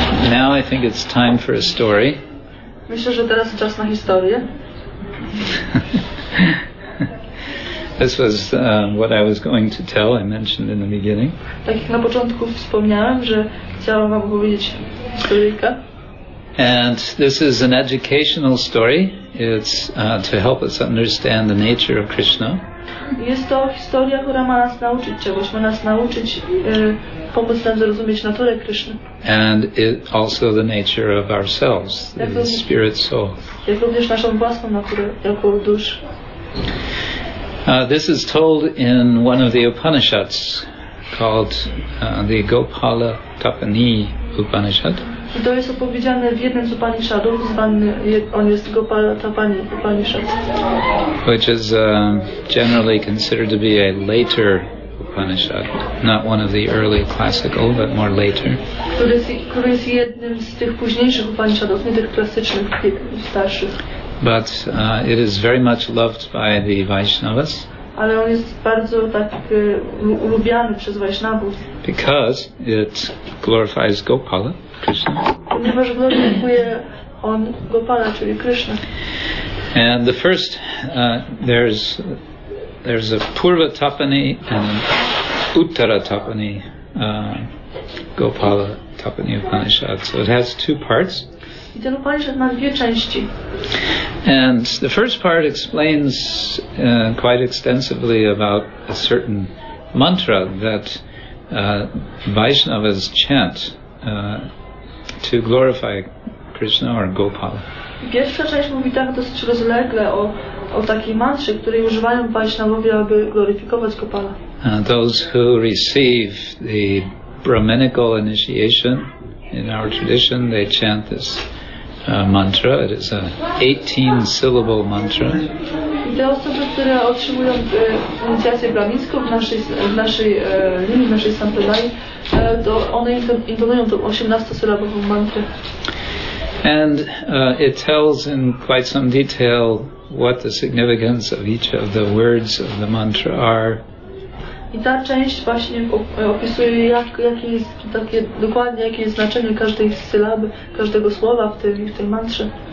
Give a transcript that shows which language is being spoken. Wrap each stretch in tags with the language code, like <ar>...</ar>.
<en>Now I think it's time for a story.</en> <pl>Myślę, że teraz czas na historię.</pl> <en>This was what I was going to tell, I mentioned in the beginning.</en> <pl>Tak jak na początku wspomniałem, że chciałam wam powiedzieć historyjkę.</pl> <en>And this is an educational story. It's to help us understand the nature of Krishna.</en> <pl>Jest to historia, która ma nas nauczyć czegoś, ma nas nauczyć, pomóc nam zrozumieć naturę Krishna.</pl> <en>And it also the nature of ourselves, the spirit soul.</en> <pl>Jak również naszą własną naturę, jako dusz.</pl> <en>This is told in one of the Upanishads called the Gopala Tapani Upanishad.</en> <pl>To jest opowiedziane w jednym z Upanishadów, zwany on jest Gopala Tapani Upanishad.</pl> <en>Which is generally considered to be a later Upanishad, not one of the early classical, but more later.</en> <pl>Który jest jednym z tych późniejszych Upanishadów, nie tych klasycznych, starszych.</pl> <en>But it is very much loved by the Vaishnavas.</en> <pl>Ale on jest bardzo tak ulubiany przez Vaishnavów.</pl> <en>Because it glorifies Gopala, Krishna.</en> <pl>Ponieważ glorifikuje on Gopala, czyli Krishna.</pl> <en>And the first there's a Purva Tapani and an Uttara Tapani Gopala Tapani Upanishad. So it has two parts.</en> <pl>I ten Upanishad ma dwie części.</pl> <en>And the first part explains quite extensively about a certain mantra that Vaishnavas chant to glorify Krishna or Gopala.</en> <pl>Pierwsza część mówi tak dosyć rozlegle o takiej mantrze, której używają Vaishnavowie, aby gloryfikować Gopala.</pl> <en>Those who receive the Brahminical initiation in our tradition, they chant this mantra. It is an 18-syllable mantra.</en> <pl>Te osoby, które otrzymują inicjację brahmińską w naszej sampradaji, to one intonują tą 18-syllabową mantrę.</pl> <en>And it tells in quite some detail what the significance of each of the words of the mantra are.</en> <pl>I ta część właśnie opisuje, jakie jest takie dokładnie, jakie jest znaczenie każdej sylaby, każdego słowa w tej mantrze.</pl>